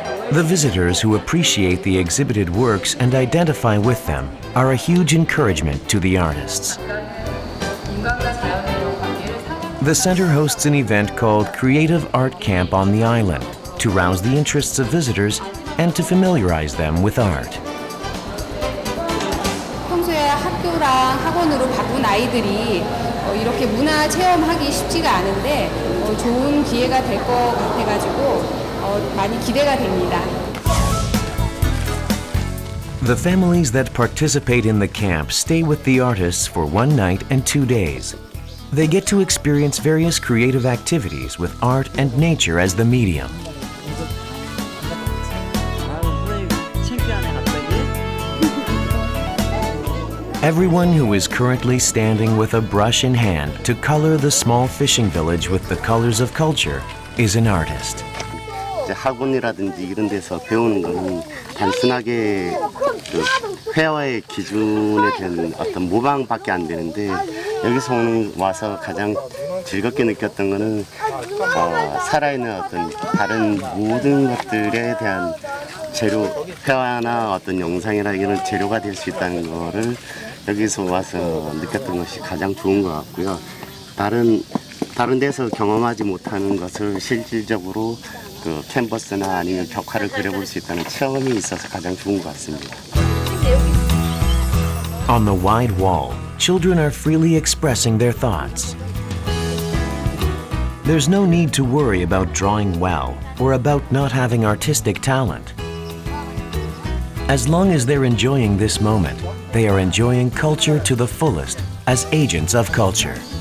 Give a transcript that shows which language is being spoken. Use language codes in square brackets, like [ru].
[en] The visitors who appreciate the exhibited works and identify with them are a huge encouragement to the artists. The center hosts an event called Creative Art Camp on the island to rouse the interests of visitors and to familiarize them with art. [ko] 평소에 학교랑 학원으로 바쁜 아이들이 이렇게 문화 체험하기 쉽지가 않은데 좋은 기회가 될 것 같아가지고 많이 기대가 됩니다. [en] The families that participate in the camp stay with the artists for one night and 2 days. They get to experience various creative activities with art and nature as the medium. Everyone who is currently standing with a brush in hand to color the small fishing village with the colors of culture is an artist. [ko] 학원이라든지 이런 데서 배우는 건 단순하게 회화의 기준에 대한 어떤 모방밖에 안 되는데 여기서 오는 와서 가장 즐겁게 느꼈던 거는 살아있는 어떤 다른 모든 것들에 대한 재료, 회화나 어떤 영상이라기에는 재료가 될 수 있다는 거를 여기서 와서 느꼈던 것이 가장 좋은 것 같고요. 다른 데서 경험하지 못하는 것을 실질적으로 그 캔버스나 아니면 벽화를 그려볼 수 있다는 체험이 있어서 가장 좋은 것 같습니다. [en] On the wide wall, children are freely expressing their thoughts. There's no need to worry about drawing well or about not having artistic talent. As long as they're enjoying this moment, they are enjoying culture to the fullest as agents of culture.